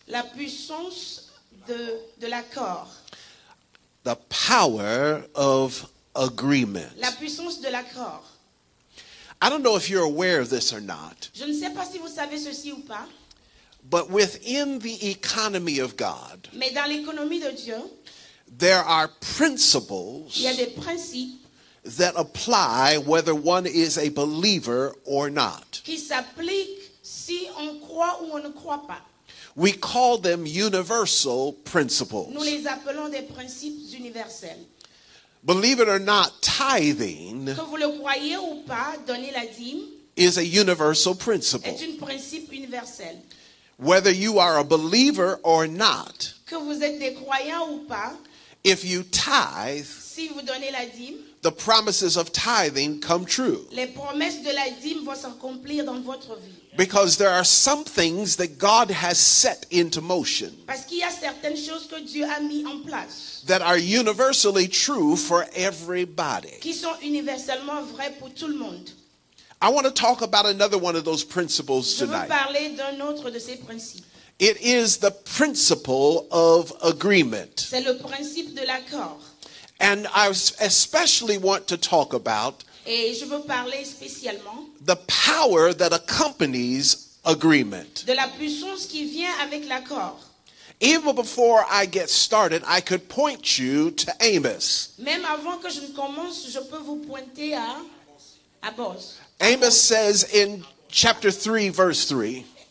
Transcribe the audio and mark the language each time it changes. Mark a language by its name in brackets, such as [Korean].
[French] La puissance de l'accord. [English] The power of agreement. [French] La puissance de l'accord. [English] I don't know if you're aware of this or not. [French] Je ne sais pas si vous savez ceci ou pas. [English] But within the economy of God, [French] mais dans l'économie de Dieu, [English] there are principles. [French] Il y a des principes [English] that apply whether one is a believer or not. [French] Qui s'applique si on croit ou on ne croit pas. [English] We call them universal principles. [French] Nous les appelons des principes universels. [English] Believe it or not, tithing, [French] que vous le croyez ou pas, donner la dîme, [English] is a universal principle. [French] Est un principe universel. [English] Whether you are a believer or not, [French] que vous êtes des croyants ou pas, [English] If you tithe, [French] si vous donnez la dîme, [English] the promises of tithing come true. [French] Les promesses de la dîme vont s'accomplir dans votre vie. [English] Because there are some things that God has set into motion. [French] Parce qu'il y a certaines choses que Dieu a mis en place. [English] That are universally true for everybody. [French] Qui sont universellement vrais pour tout le monde. [English] I want to talk about another one of those principles tonight. [French] Je veux parler d'un autre de ces principes. [English] It is the principle of agreement. [French] C'est le principe de l'accord. [English] And I especially want to talk about [French] et je veux parler spécialement [English] the power that accompanies agreement. [French] De la puissance qui vient avec l'accord. [English] Even before I get started, I could point you to Amos. [French] Même avant que je ne commence, je peux vous pointer à Amos. [English] Amos says in chapter 3, verse 3.